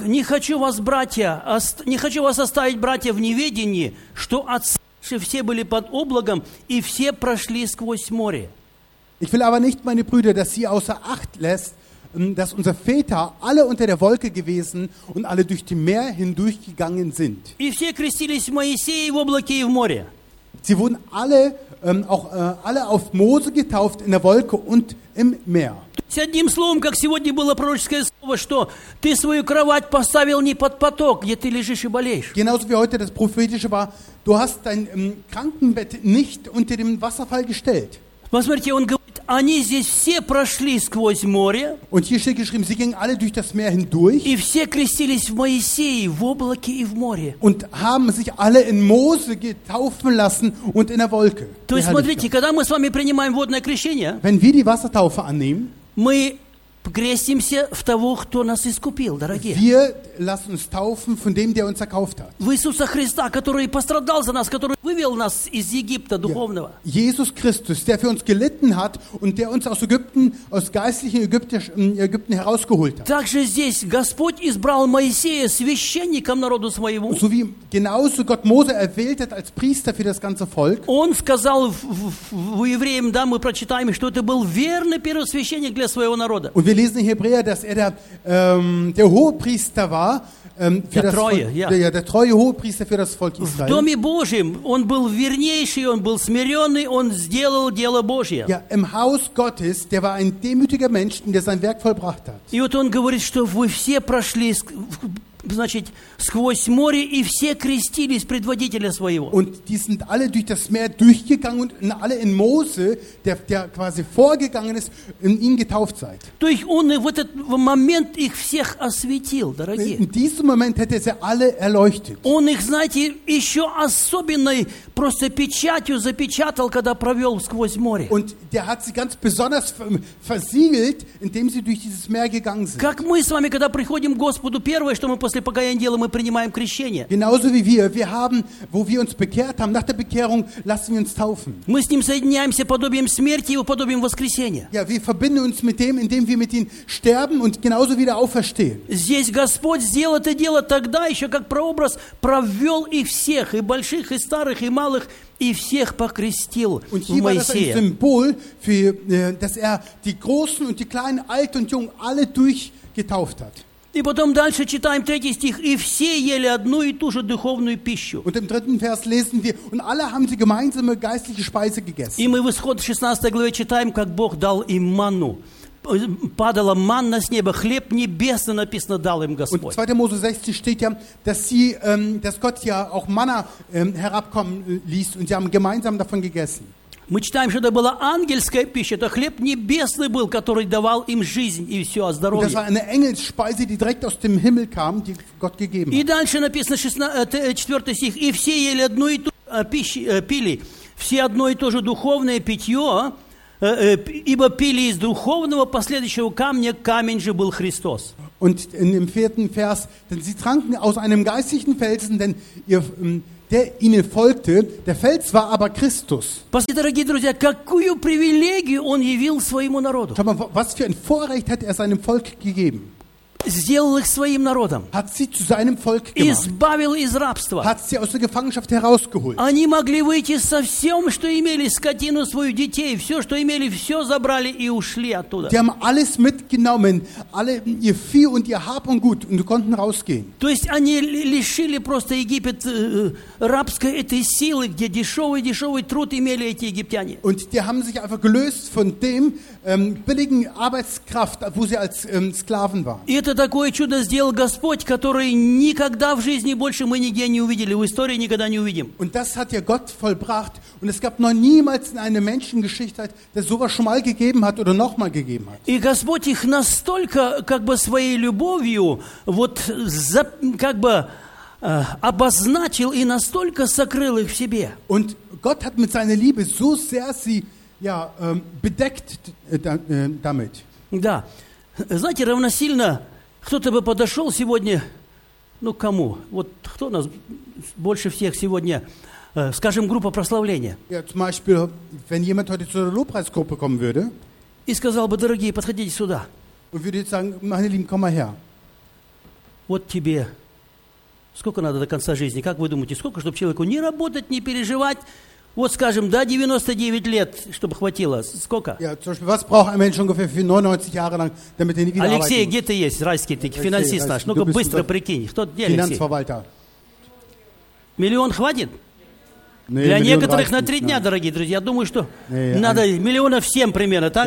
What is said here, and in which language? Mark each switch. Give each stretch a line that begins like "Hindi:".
Russian: «Не хочу вас, братья, не хочу вас оставить, братья, в неведении, что отцы все были под облаком, и все прошли сквозь море».
German: Ich will aber nicht, meine Brüder, dass sie außer Acht lässt, dass unsere Väter alle unter der Wolke gewesen und alle durch die Meer hindurchgegangen sind. Sie wurden alle, auch alle auf Mose getauft in der Wolke und im Meer.
Russian: С одним словом, как сегодня было пророческое слово, что ты свою кровать поставил не под поток, где ты лежишь и болеешь.
German: Genauso wie heute das prophetische war, du hast dein Krankenbett nicht unter dem Wasserfall gestellt.
Russian: Посмотрите, он говорит, они здесь все прошли сквозь море.
German: Und hier steht geschrieben, sie gingen alle durch das Meer hindurch.
Russian: И все крестились в Моисее, в облаке и в море.
German: Und haben sich alle in Mose getaufen lassen und in der Wolke.
Russian: То есть, смотрите, когда мы с вами принимаем водное крещение,
German: wenn wir die Wassertaufe annehmen,
Russian: мы крестимся в того, кто нас искупил, дорогие.
German: Wir lassen uns taufen von dem, der uns erkauft hat.
Russian: В Иисуса Христа, который пострадал за нас, который вывел нас из Египта духовного.
German: Ja. Jesus Christus, der für uns gelitten hat und der uns aus Ägypten, aus geistlichen Ägypten herausgeholt hat.
Russian: Также здесь Господь избрал Моисея священником народу своего.
German: So wie genauso Gott Mose erwählt hat als Priester für das ganze Volk.
Russian: Он сказал в Евреям, да, мы прочитаем, что это был верный первосвященник для своего народа.
German: Und wir lesen in Hebräer, dass er der Hohepriester war, für der Treue, das Volk, ja. Der treue Hohepriester für das Volk Israel.
Russian: В доме Божьем он был вернейший, он был смиренный, он сделал дело Божье.
German: Ja, im Haus Gottes, der war ein demütiger Mensch, der sein Werk vollbracht hat.
Russian: И вот он говорит, что вы все прошли, значит, сквозь море и все крестились предводителя своего.
German: Und die sind alle durch das Meer durchgegangen und alle in Mose, der quasi vorgegangen ist, in ihn getauft seid.
Russian: Durch он в этот момент их всех осветил, дорогие.
German: In diesem Moment hat er sie alle erleuchtet.
Russian: Он их, знаете, еще особенной просто печатью запечатал, когда провел сквозь море.
German: Und der hat sie ganz besonders versiegelt, indem sie durch dieses Meer gegangen sind.
Russian: Как мы с вами, когда приходим к Господу, первое, что мы после покаяния дела, мы принимаем крещение.
German: Genauso wie wir haben, wo wir uns bekehrt haben, nach der Bekehrung lassen wir uns taufen.
Russian: Мы с ним соединяемся подобием смерти и подобием воскресения.
German: Ja, wir verbinden uns mit dem, indem wir mit ihm sterben und genauso wieder auferstehen.
Russian: Здесь Господь сделал это дело тогда еще, как прообраз, провел их всех, и больших, и старых, и малых, и всех покрестил в Моисея.
German: Ein Symbol für, dass die Großen und die Kleinen, Alt und Jung, alle durchgetauft hat.
Russian: И потом дальше читаем третий стих. И все ели одну и ту же духовную пищу.
German: Und im dritten Vers lesen wir, und alle haben sie gemeinsame geistliche Speise gegessen.
Russian: И мы в Исход 16 главе читаем, как Бог дал им манну. Падала манна с неба, хлеб небесный, написано, дал им Господь.
German: Und 2. Mose 16 steht ja, dass Gott ja auch Manna herabkommen ließ und sie haben gemeinsam davon gegessen.
Russian: Мы читаем, что это была ангельская пища, это хлеб небесный был, который давал им жизнь и все, здоровье.
German: Das war eine Engelsspeise, die direkt aus dem Himmel kam, die Gott gegeben hat.
Russian: И дальше написано 4 стих, и все ели одну и ту пили все одно и то же духовное питье, ибо пили из духовного последующего камня, камень же был Христос.
German: Und in dem vierten Vers, denn sie tranken aus einem geistlichen Felsen, denn ihr, der ihnen folgte, der Fels war aber Christus.
Russian: Послушайте, дорогие друзья, какую привилегию он явил своему народу.
German: Schau mal, was für ein Vorrecht hat er seinem Volk gegeben?
Russian: Сделал их своим народом.
German: Hat sie zu seinem Volk gemacht.
Russian: Избавил из рабства.
German: Hat sie aus der Gefangenschaft herausgeholt.
Russian: Они могли выйти со всем, что имели, скотину свою, детей, все, что имели, все забрали и ушли оттуда.
German: Die haben alles mitgenommen, alle ihr Vieh und ihr Hab und Gut und konnten rausgehen.
Russian: То есть они лишили просто Египет рабской этой силы, где дешевый труд имели эти египтяне.
German: Und die haben sich einfach gelöst von dem billigen Arbeitskraft, wo sie als Sklaven waren.
Russian: Это такое чудо сделал Господь, которое никогда в жизни больше мы нигде не увидели, в истории никогда не увидим.
German: Und das hat ja Gott vollbracht und es gab noch niemals in einer Menschengeschichte, der sowas schon mal gegeben hat oder noch mal gegeben hat.
Russian: И Господь их настолько как бы своей любовью вот как бы обозначил и настолько сокрыл их в себе.
German: Und Gott hat mit seiner Liebe so sehr sie ja bedeckt damit.
Russian: Да. Знаете, равносильно кто-то бы подошел сегодня, ну кому? Вот кто у нас больше всех сегодня, скажем, группа прославления?
German: Ja, zum Beispiel, wenn jemand heute zur Lobpreisgruppe kommen würde.
Russian: И сказал бы, дорогие, подходите сюда.
German: Und würde sagen, meine Lieben, komm mal her.
Russian: Вот тебе, сколько надо до конца жизни? Как вы думаете, сколько, чтобы человеку не работать, не переживать? Вот, скажем, да, 99 лет, чтобы хватило. Сколько?
German: Ja, zum Beispiel, was braucht ein Mensch ungefähr für 99 Jahre lang, damit er nie wieder arbeiten muss?
Russian: Алексей, где ты есть, райский ты, финансист наш? Ну-ка, быстро прикинь. Кто, где Алексей?
German: Финансфавальтер.
Russian: Миллион хватит? Nee, для некоторых на три дня, дорогие друзья. Я думаю, что nee, надо миллиона всем примерно, так?